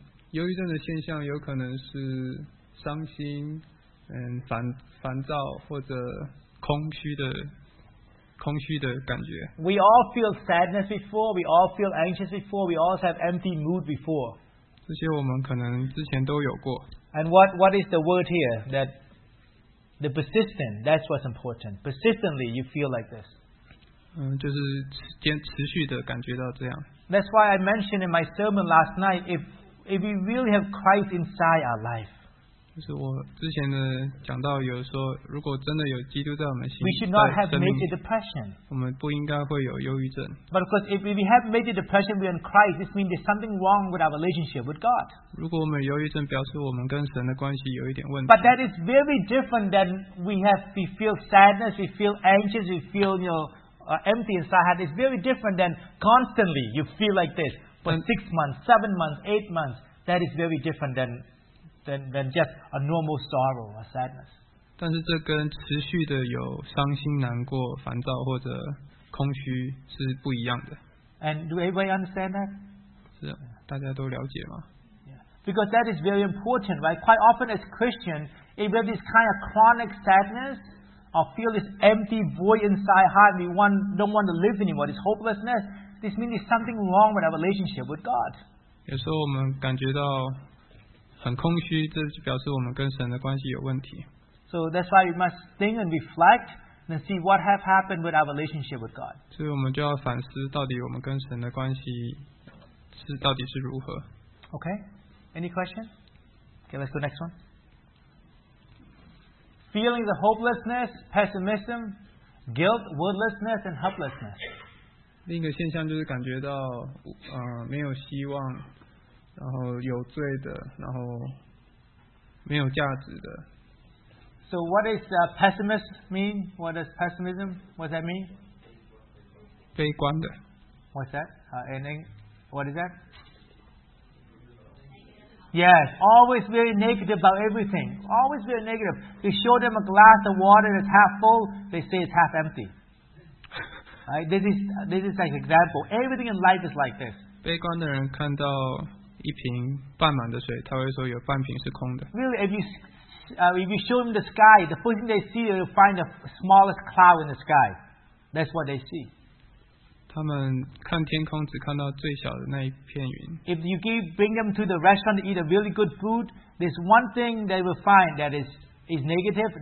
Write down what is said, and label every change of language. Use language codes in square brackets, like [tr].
[zh] 忧郁症的现象有可能是伤心，烦躁或者空虚的感觉。 [en] We all feel sadness before. We all feel anxious before. We all have empty mood before. [zh] 这些我们可能之前都有过。 [en] And what is the word here? That the persistent. That's what's important. Persistently, you feel like this. [zh] 就是持续的感觉到这样。 [en] That's why I mentioned in my sermon last night. If we really have Christ inside our life. [zh] 就是我之前的讲到有说，如果真的有基督在我们心 [en] ，we should not have major depression. [zh] 我们不应该会有忧郁症。 [en] But of course, if we have major depression, we are in Christ. This means there's something wrong with our relationship with God. [zh] 如果我们有忧郁症，表示我们跟神的关系有一点问题。 [en] But that is very different than we feel sadness, we feel anxious, we feel empty inside. It's very different than constantly you feel like this for 6 months, 7 months, 8 months. That is very different than just a normal sorrow or sadness. [zh] 但是这跟持续的有伤心、难过、烦躁或者空虚是不一样的。 [en] And do everybody understand that? [zh] 是，大家都了解吗？ [en] Yeah. Because that is very important, right? Quite often as Christian, if we have this kind of chronic sadness or feel this empty void inside heart, we don't want to live anymore, this hopelessness, this means there's something wrong with our relationship with God. [zh] 有时候我们感觉到很空虚，这就表示我们跟神的关系有问题。 [en] So that's why we must think and reflect and see what has happened with our relationship with God. [zh] 所以我们就要反思，到底我们跟神的关系是到底是如何。 [en] Okay, any question? Okay, let's go next one. Feelings of hopelessness, pessimism, guilt, worthlessness, and helplessness. [zh] 另一个现象就是感觉到没有希望，然后有罪的，然后没有价值的。 [en] So what does pessimist mean? What does pessimism? What's that mean? [zh] 悲观的。 [en] What's that? And then, what is that? Yes, always very negative about everything. Always very negative. You show them a glass of water that's half full, they say it's half empty. Right? This is like an example. Everything in life is like this. [zh] 悲观的人看到一瓶半满的水，他会说有半瓶是空的。 [en] Really, if you show them the sky, the first thing they see, they will find the smallest cloud in the sky. That's what they see. [zh] 他们看天空只看到最小的那一片云。 [en] If you bring them to the restaurant to eat a really good food, there's one thing they will find that is negative.